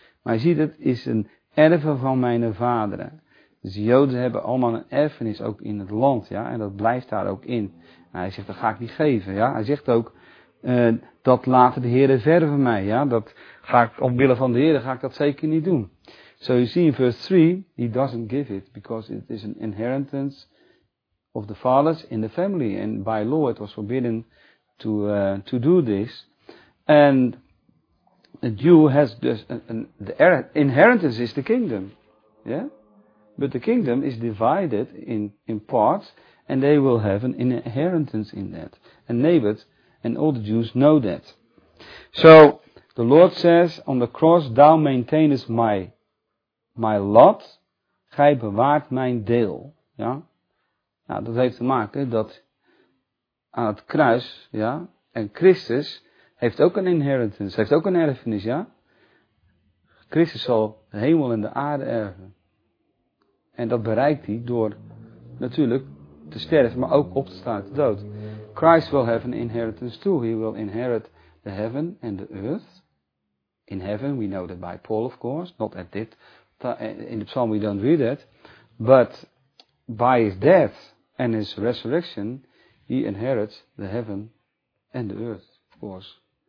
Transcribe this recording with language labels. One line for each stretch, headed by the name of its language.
Dutch: Maar je ziet, het is een erven van mijn vaderen. Dus de Joden hebben allemaal een erfenis ook in het land, ja, en dat blijft daar ook in. Nou, hij zegt, dat ga ik niet geven, ja. Hij zegt ook, dat laten de heren verre van mij, ja. Dat ga ik, omwille van de heren ga ik dat zeker niet doen.
English: So you see in verse 3, he doesn't give it, because it is an inheritance of the fathers in the family, and by law it was forbidden to do this. And a Jew has just inheritance is the kingdom, yeah. But the kingdom is divided in parts, and they will have an inheritance in that. And Naboth and all the Jews know that. So the Lord says on the cross, "Thou maintainest my lot,
Dutch: gij bewaart mijn deel."
English: Yeah.
Dutch: Nou, dat heeft te maken dat aan het kruis, ja, en Christus heeft ook een inheritance, heeft ook een erfenis, ja. Christus zal de hemel en de aarde erven. En dat bereikt hij door natuurlijk te sterven, maar ook op te staan uit de dood.
English: Christ will have an inheritance too. He will inherit the heaven and the earth. In heaven, we know that by Paul, of course. Not at this time. In the psalm, we don't read that. But by his death and his resurrection, he inherits the heaven and the earth, of course.